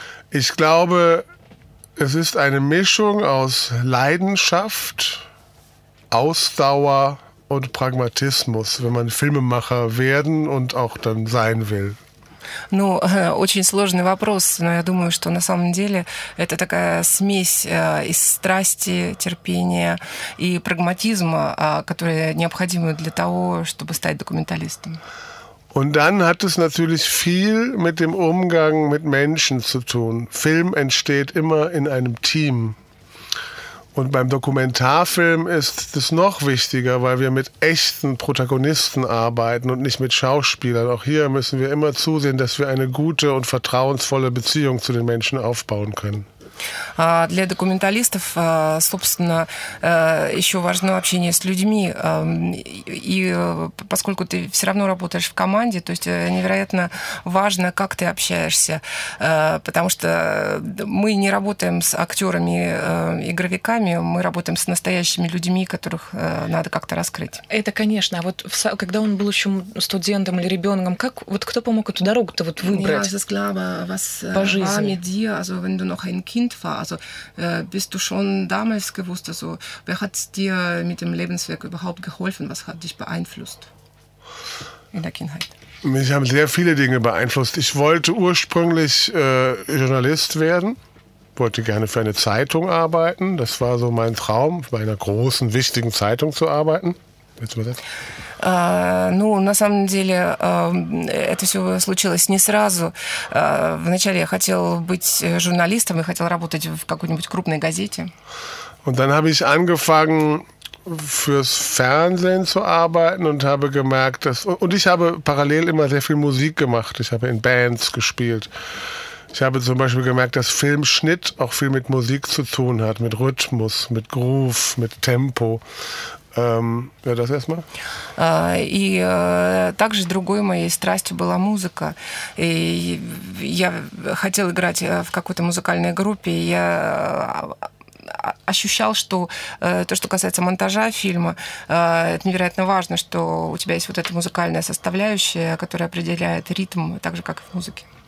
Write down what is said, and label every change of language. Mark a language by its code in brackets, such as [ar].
[de] Ich glaube, es ist eine Mischung aus Leidenschaft, Ausdauer und Pragmatismus, wenn man Filmemacher werden und auch dann sein will. [ru] Ну, очень сложный вопрос, но я думаю, что на самом деле это такая смесь из страсти, терпения и прагматизма, которые необходимы для того, чтобы стать документалистом. [de] Und dann hat es natürlich viel mit dem Umgang mit Menschen zu tun. Film entsteht immer in einem Team. Und beim Dokumentarfilm ist es noch wichtiger, weil wir mit echten Protagonisten arbeiten und nicht mit Schauspielern. Auch hier müssen wir immer zusehen, dass wir eine gute und vertrauensvolle Beziehung zu den Menschen aufbauen können. [ru] Для документалистов, собственно, еще важно общение с людьми. И поскольку ты все равно работаешь в команде, то есть невероятно важно, как ты общаешься. Потому что мы не работаем с актерами и игровиками, мы работаем с настоящими людьми, которых надо как-то раскрыть. Это, конечно. А вот когда он был еще студентом или ребенком, как, вот кто помог эту дорогу-то вот выбрать? Я думаю, по жизни. War. [de] Also bist du schon damals gewusst, also wer hat dir mit dem Lebenswerk überhaupt geholfen, was hat dich beeinflusst in der Kindheit? Mich haben sehr viele Dinge beeinflusst. Ich wollte ursprünglich Journalist werden, wollte gerne für eine Zeitung arbeiten. Das war so mein Traum, bei einer großen, wichtigen Zeitung zu arbeiten. [ru] Ну, на самом деле, это все случилось не сразу. Вначале я хотел быть журналистом и хотел работать в какой-нибудь крупной газете. [de] Und dann habe ich angefangen fürs Fernsehen zu arbeiten und habe gemerkt, dass und ich habe parallel immer sehr viel Musik gemacht. Ich habe in Bands gespielt. Ich habe zum Beispiel gemerkt, dass Filmschnitt auch viel mit Musik zu tun hat, mit Rhythmus, mit Groove, mit Tempo. Ja, das erstmal. [ru] И также другой моей страстью была музыка. И я хотел играть в какой-то музыкальной группе. Я ощущал, что то, что касается монтажа фильма, это невероятно важно, что у тебя есть вот эта музыкальная составляющая, которая определяет ритм, так же, как и в музыке.